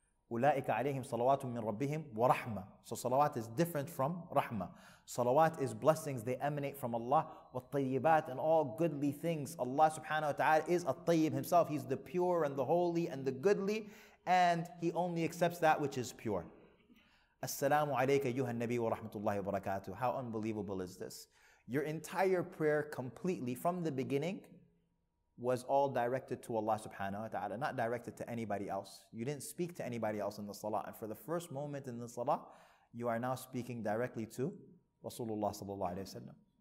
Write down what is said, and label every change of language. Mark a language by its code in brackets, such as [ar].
[ar] أُولَٰئِكَ عَلَيْهِمْ صَلَوَاتٌ مِّنْ رَبِّهِمْ وَرَحْمَةٌ. [en] So salawat is different from rahma. Salawat is blessings, they emanate from Allah. والطيبات, and all goodly things. Allah subhanahu wa ta'ala is الطيب himself. He's the pure and the holy and the goodly, and he only accepts that which is pure. [ar] السلام عليك أيها النبي ورحمة الله وبركاته. [en] How unbelievable is this? Your entire prayer completely from the beginning was all directed to Allah subhanahu wa ta'ala, not directed to anybody else. You didn't speak to anybody else in the salah. And for the first moment in the salah, you are now speaking directly to Rasulullah sallallahu alayhi wa sallam.